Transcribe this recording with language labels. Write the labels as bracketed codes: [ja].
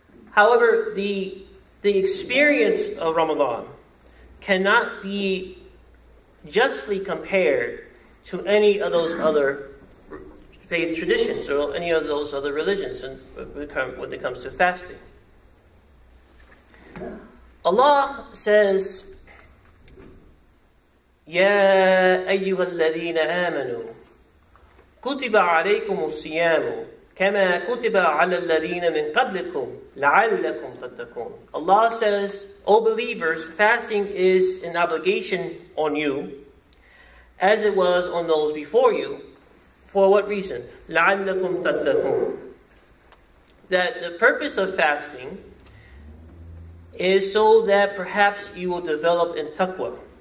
[en] However, the experience of Ramadan cannot be justly compared to any of those other faith traditions or any of those other religions when it comes to fasting. Allah says, [ar] يَا أَيُّهَا الَّذِينَ آمَنُوا كُتِبَ عَلَيْكُمُ الصِّيَامُ كَمَا كُتِبَ عَلَى الَّذِينَ مِنْ قَبْلِكُمْ لَعَلَّكُمْ تَتَّقُونَ. [en] Allah says, O believers, fasting is an obligation on you, as it was on those before you. For what reason? [ar] لَعَلَّكُمْ تَتَّقُونَ. [en] That the purpose of fasting is so that perhaps you will develop in taqwa.